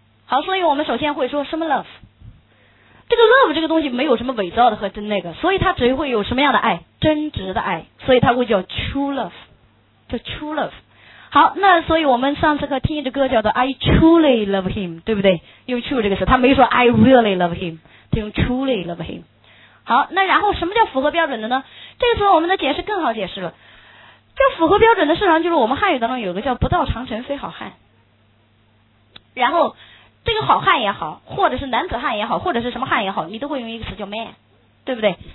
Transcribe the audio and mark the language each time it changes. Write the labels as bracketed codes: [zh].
[zh] 好，所以我们首先会说什么 love， 这个 love 这个东西没有什么伪造的和真那个，所以它只会有什么样的爱，真挚的爱，所以它会叫 true love， 叫 true love。好，那所以我们上次课听一首歌叫做 [en] I truly love him， [zh] 对不对？用 true 这个词，他没说 [en] I really love him， [zh] 他用 [en] truly love him。 [zh] 好，那然后什么叫符合标准的呢？这个时候我们的解释更好解释了，这符合标准的事实上就是我们汉语当中有个叫不到长城非好汉，然后这个好汉也好，或者是男子汉也好，或者是什么汉也好，你都会用一个词叫 man， 对不对？